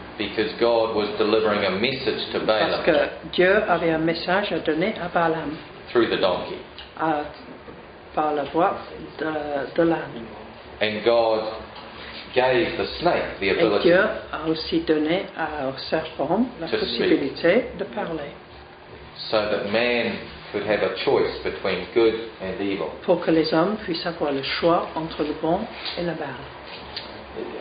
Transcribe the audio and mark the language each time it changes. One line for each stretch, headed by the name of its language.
English: Because God was delivering a message to Balaam.
French: Parce que Dieu avait un message à donner à Balaam.
English: Through the donkey.
French: Par la voix de l'âne.
English: And God gave the snake the ability.
French: Et Dieu a aussi donné au serpent la possibilité de parler.
English: So that man could have a choice between good and evil.
French: Pour que les hommes puissent avoir le choix entre le bon et le mal.